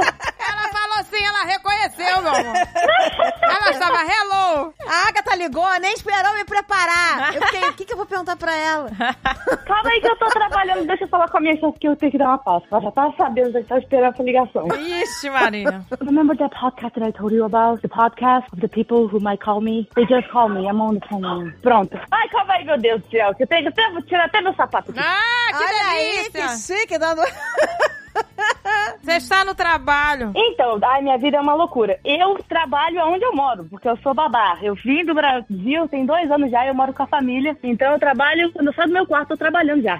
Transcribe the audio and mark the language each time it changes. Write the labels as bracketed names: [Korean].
[Portuguese] Ela falou sim, ela reconheceu, meu amor. Ela estava hello. A Agatha ligou, nem esperou me preparar. Eu fiquei, o que que eu vou perguntar pra ela? Calma aí que eu tô trabalhando. Deixa eu falar com a minha chefe que eu tenho que dar uma pausa. Ela já tá sabendo, já tá esperando essa ligação. Ixi, Marina. [English] Remember that podcast that I told you about? The podcast of the people who might call me? They just call me, I'm on the phone. [Portuguese] Pronto. Ai, calma aí, meu Deus do céu. Que eu tenho que tirar até meu sapato aqui. Ah, que olha delícia. Aí, que chique, dando... Você está no trabalho. Então, ai, minha vida é uma loucura. Eu trabalho onde eu moro, porque eu sou babá. Eu vim do Brasil, tem 2 anos já, e eu moro com a família. Então, eu trabalho, quando eu saio do meu quarto, eu tô trabalhando já.